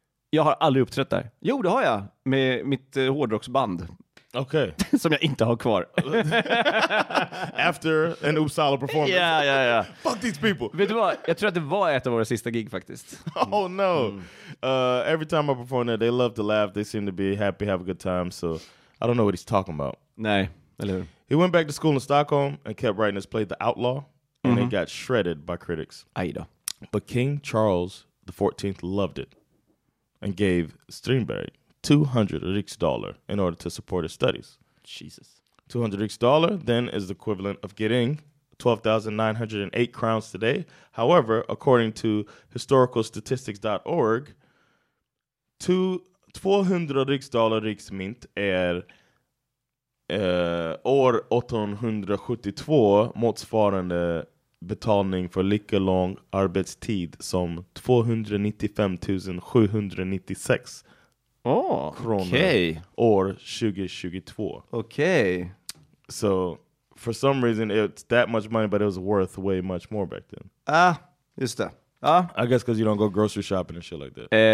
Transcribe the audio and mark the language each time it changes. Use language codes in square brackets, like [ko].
[sv] Jag har aldrig uppträtt där. Jo, det har jag. Med mitt hårdrocksband. [en] Okay. [sv] Som jag inte har kvar. [en] After an Uppsala performance. Yeah, yeah, yeah. Fuck these people. [sv] Vet du vad? Jag tror att det var ett av våra sista gig faktiskt. [en] Oh, no. Mm. Every time I perform there, they love to laugh. They seem to be happy, have a good time. So I don't know what he's talking about. [sv] Nej, eller hur? [en] He went back to school in Stockholm and kept writing his play, The Outlaw, and it got shredded by critics. Aida. But King Charles XIV loved it and gave Strindberg 200 riksdaler in order to support his studies. Jesus. 200 riksdaler then is the equivalent of getting 12,908 crowns today. However, according to historicalstatistics.org, 200 riksdaler [sv] riksmynt är... år 872 motsvarande betalning för lika lång arbetstid som 295,796 kronor år 2022. [en] Okay. So, for some reason it's that much money, but it was worth way much more back then. [sv] Ah, just det. Ah. [en] I guess because you don't go grocery shopping and shit like that.